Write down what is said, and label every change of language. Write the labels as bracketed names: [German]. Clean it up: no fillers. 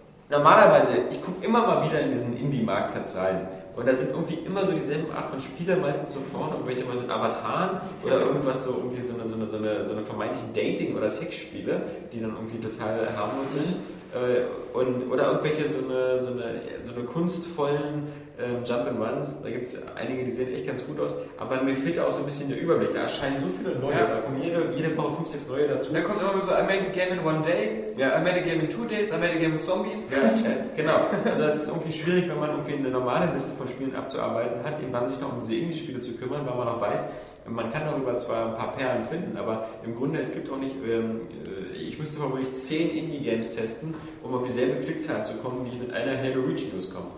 [German] Normalerweise, ich gucke immer mal wieder in diesen Indie-Marktplatz rein und da sind irgendwie immer so dieselben Art von Spielern meistens so vorne, irgendwelche mit Avataren oder irgendwas so, irgendwie so eine vermeintlichen Dating- oder Sexspiele, die dann irgendwie total harmlos sind und, oder irgendwelche so eine kunstvollen Jump'n'Runs, da gibt es einige, die sehen echt ganz gut aus, aber mir fehlt auch so ein bisschen der Überblick, da erscheinen so viele neue, da kommen jede Woche 50 neue dazu. Da kommt immer so, [English] I made a game in one day, I made a game in 2 days, I made a game with zombies. [German] Ja, genau, also es ist irgendwie schwierig, wenn man irgendwie eine normale Liste von Spielen abzuarbeiten hat, eben dann sich noch um diese Indie-Spiele zu kümmern, weil man auch weiß, man kann darüber zwar ein paar Perlen finden, aber im Grunde, es gibt auch nicht, ich müsste vermutlich 10 Indie-Games testen, um auf dieselbe Klickzahl zu kommen, wie ich mit einer Halo Reach loskomme.